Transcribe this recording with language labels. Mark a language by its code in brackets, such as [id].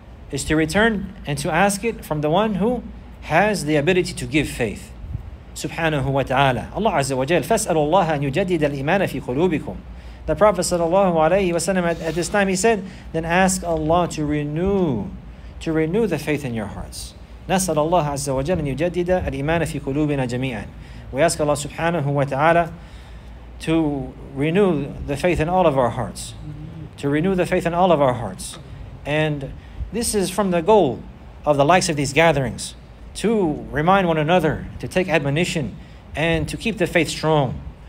[en] Is to return and to ask it from the one who has the ability to give faith. [ar] Subhanahu wa ta'ala. Allah Azza wa Jal. فَاسْأَلُوا اللَّهَ أَنْ يُجَدِّدَ الْإِيمَانَ فِي قُلُوبِكُمْ. [en] The Prophet sallallahu alayhi wa sallam at this time, he said, then ask Allah to renew the faith in your hearts. [ar] نسأل الله عز وجل أن يجدد الإيمان في قلوبنا جميعا. [en] We ask Allah subhanahu wa ta'ala to renew the faith in all of our hearts. To renew the faith in all of our hearts. And this is from the goal of the likes of these gatherings, to remind one another, to take admonition, and to keep the faith strong.